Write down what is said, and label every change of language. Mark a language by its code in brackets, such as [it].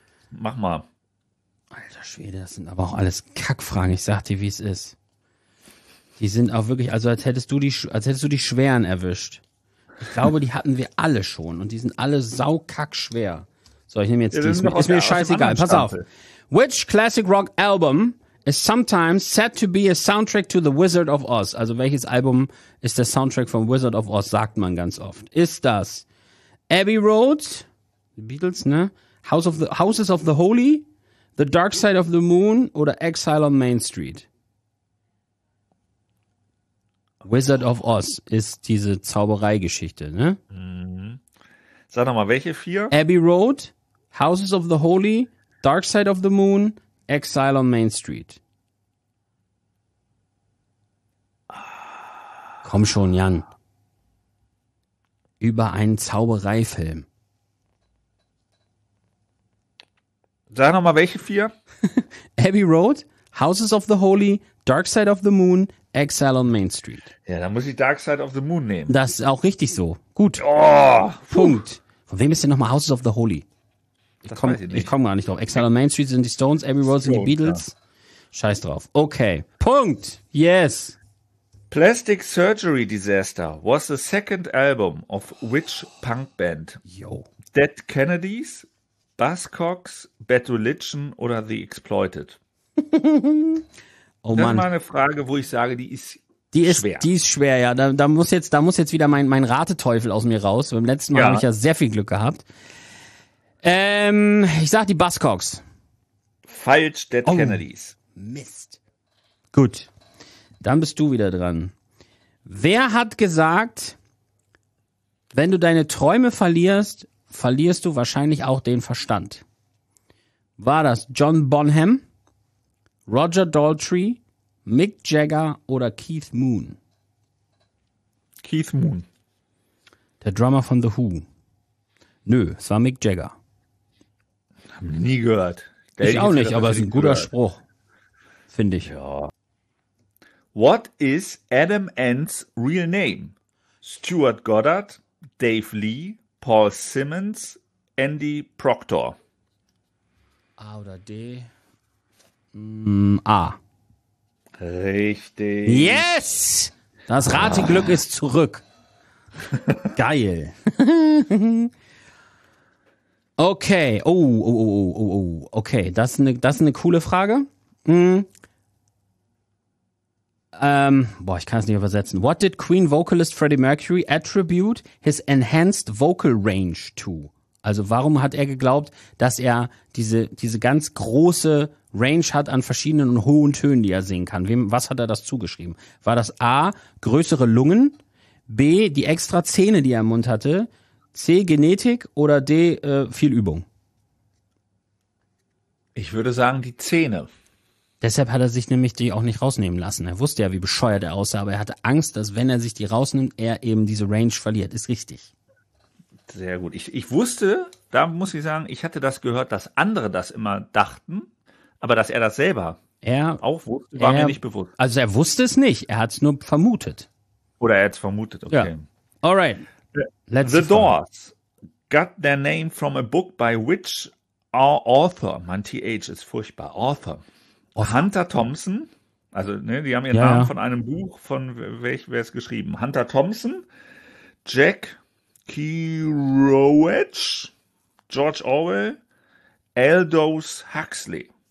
[de] Mach mal. Alter Schwede, das sind aber auch alles Kackfragen. Ich sag dir, wie es ist. Die sind auch wirklich, also als hättest du die schweren erwischt. Ich glaube, die hatten wir alle schon und die sind alle saukackschwer. So, ich nehme jetzt ja, die. Ist mir scheißegal. Pass auf. [en] Which classic rock album is sometimes said to be a soundtrack to The Wizard of Oz? [de] Also welches Album ist der Soundtrack von Wizard of Oz, sagt man ganz oft. Ist das Abbey Road, The Beatles, ne? Houses of the Holy, The Dark Side of the Moon oder Exile on Main Street? Wizard of Oz ist diese Zaubereigeschichte, ne? Mhm. Sag doch mal, welche vier? Abbey Road, Houses of the Holy, Dark Side of the Moon, Exile on Main Street. Komm schon, Jan. Über einen Zaubereifilm. Sag nochmal, welche vier? Abbey Road, Houses of the Holy, Dark Side of the Moon, Exile on Main Street. Ja, dann muss ich Dark Side of the Moon nehmen. Das ist auch richtig so. Gut. Oh, Punkt. Von wem ist denn nochmal Houses of the Holy? Ich komm gar nicht drauf. Exile on Main Street sind die Stones, Abbey Road sind die Beatles. Ja. Scheiß drauf. Okay. Punkt. Yes. [en] Plastic Surgery Disaster was the second album of which punk band? Yo. [de] Dead Kennedys, Buzzcocks, Bad Religion oder The Exploited? Oh Mann. Das ist mal eine Frage, wo ich sage, die ist schwer, ja. Da muss jetzt wieder mein Rateteufel aus mir raus. Beim letzten Mal habe ich ja sehr viel Glück gehabt. Ich sag die Buzzcocks. Falsch, Dead Kennedys. Mist. Gut. Dann bist du wieder dran. Wer hat gesagt, wenn du deine Träume verlierst, verlierst du wahrscheinlich auch den Verstand? War das John Bonham, Roger Daltrey, Mick Jagger oder Keith Moon? Keith Moon. Der Drummer von The Who. Nö, es war Mick Jagger. Hab nie gehört. Ich auch nicht, aber es ist ein guter Spruch. Finde ich. Ja. [en] What is Adam Ant's real name? [de] Stuart Goddard, Dave Lee, Paul Simmons, Andy Proctor. A oder D? A. Richtig. [en] Yes! [de] Das Rateglück ist zurück. Geil. Okay. Oh. Okay, das ist eine coole Frage. Ich kann es nicht übersetzen. [en] What did Queen Vocalist Freddie Mercury attribute his enhanced vocal range to? [de] Also warum hat er geglaubt, dass er diese ganz große Range hat an verschiedenen und hohen Tönen, die er singen kann? Was hat er das zugeschrieben? War das A, größere Lungen, B, die extra Zähne, die er im Mund hatte, C, Genetik oder D, viel Übung? Ich würde sagen, die Zähne. Deshalb hat er sich nämlich die auch nicht rausnehmen lassen. Er wusste ja, wie bescheuert er aussah, aber er hatte Angst, dass wenn er sich die rausnimmt, er eben diese Range verliert. Ist richtig. Sehr gut. Ich wusste, da muss ich sagen, ich hatte das gehört, dass andere das immer dachten, aber dass er das selber auch wusste, war mir nicht bewusst. Also er wusste es nicht, er hat es nur vermutet. Oder er hat es vermutet, okay. Ja. [en] Alright. The Doors got their name from a book by which author? [de] Mein TH ist furchtbar. Author. Hunter Thompson, also ne, die haben ihren Namen von einem Buch, von welchem wäre es geschrieben? Hunter Thompson, Jack Kerouac, George Orwell, Aldous Huxley.